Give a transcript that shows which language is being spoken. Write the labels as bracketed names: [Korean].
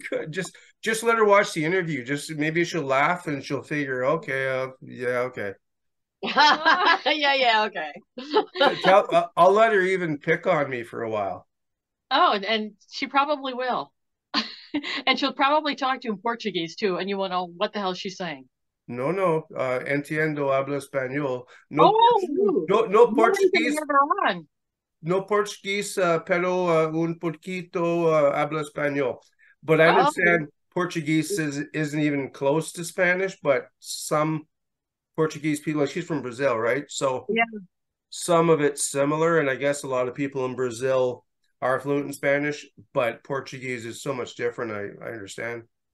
[English] just let her watch the interview. Just maybe she'll laugh and she'll figure, okay, okay. Yeah, okay. I'll let her even pick on me for a while. Oh, and she probably will. And she'll probably talk to you in Portuguese too, and you won't know what the hell she's saying. [Spanish] No, entiendo hablo español. [English] No Portuguese. No Portuguese, [Spanish] pero un poquito hablo español. [English] But I understand Portuguese isn't even close to Spanish, but some Portuguese people, like she's from Brazil, right? So yeah. Some of it's similar, and I guess a lot of people in Brazil are fluent in Spanish, but Portuguese is so much different, I understand.